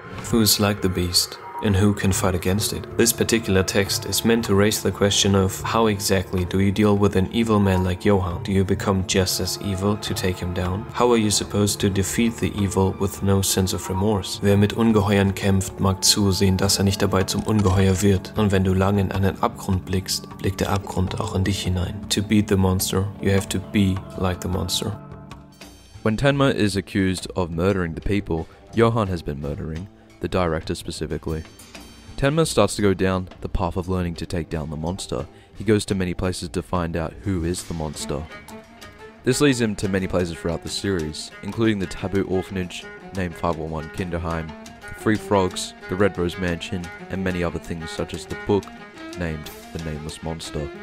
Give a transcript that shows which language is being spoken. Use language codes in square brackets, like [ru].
[en] Who's like the beast? And who can fight against it? This particular text is meant to raise the question of how exactly do you deal with an evil man like Johan? Do you become just as evil to take him down? How are you supposed to defeat the evil with no sense of remorse? [de] Wer mit Ungeheuern kämpft, mag zusehen, dass nicht dabei zum Ungeheuer wird. Und wenn du lang in einen Abgrund blickst, blickt der Abgrund auch in dich hinein. [en] To beat the monster, you have to be like the monster. When Tenma is accused of murdering the people, Johan has been murdering the director specifically. Tenma starts to go down the path of learning to take down the monster. He goes to many places to find out who is the monster. This leads him to many places throughout the series, including the taboo orphanage named 501 Kinderheim, the Free Frogs, the Red Rose Mansion, and many other things such as the book named The Nameless Monster.